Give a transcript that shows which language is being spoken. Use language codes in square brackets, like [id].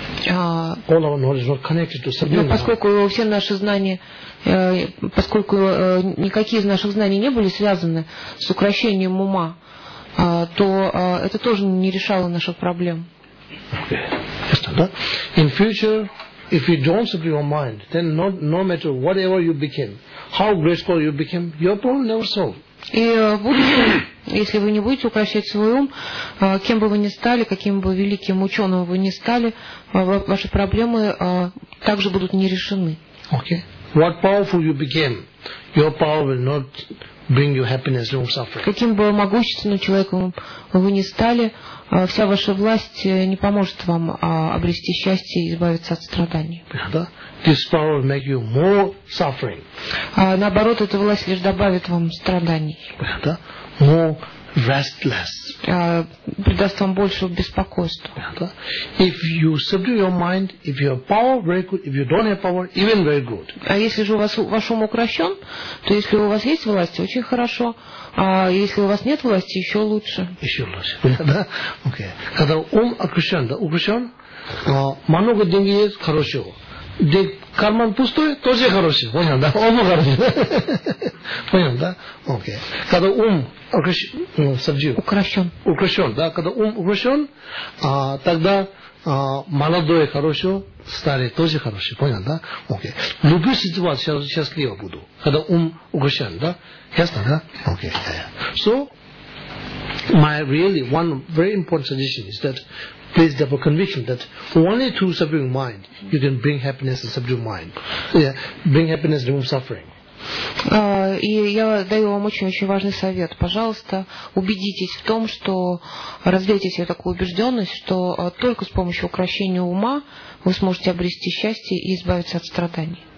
[en] All our knowledge was connected to subduing mind. [ru] Но поскольку все наши знания, поскольку никакие из наших знаний не были связаны с укрощением ума, то это тоже не решало наших проблем. [en] Okay. In future, if you don't subdue your mind, then no matter whatever you became, how graceful you became, your problem never solved. [ru] И в будущем, если вы не будете укращать свой ум, кем бы вы ни стали, каким бы великим ученым вы ни стали, ваши проблемы также будут не решены. [en] Okay. What powerful you became, your power will not bring you happiness, no suffering. [ru] Каким бы могущественным человеком вы ни стали, вся ваша власть не поможет вам обрести счастье и избавиться от страданий. [en] This power will make you more suffering. [ru] Наоборот, эта власть лишь добавит вам страданий. [en] More restless. [ru] Придаст вам больше беспокойства. [en] If you subdue your mind, if you have power, very good. If you don't have power, even very good. [ru] А если же у вас ваш ум укращен, то если у вас есть власть, очень хорошо. А если у вас нет власти, еще лучше. Еще лучше. Okay. Когда ум укращен, много денег есть, хорошо. Где карман пустой, тоже хороший. Понял, да? Ум хороший. Понял, да? Окей. Когда ум укращен. Укращен, да? Когда ум укращен, тогда молодой хорошо, старый тоже хороший. Понял, да? Окей. Любую ситуацию счастливо буду, когда ум укращен, да? Ясно, да? Окей. [en] So, my really one very important suggestion is that based upon conviction that only through subduing mind you can bring happiness and subdue mind. Yeah, bring happiness, remove suffering. [ru] И я даю вам очень-очень важный совет. Пожалуйста, убедитесь в том, что развейте себе такую убежденность, что только с помощью укрощения ума вы сможете обрести счастье и избавиться от страданий.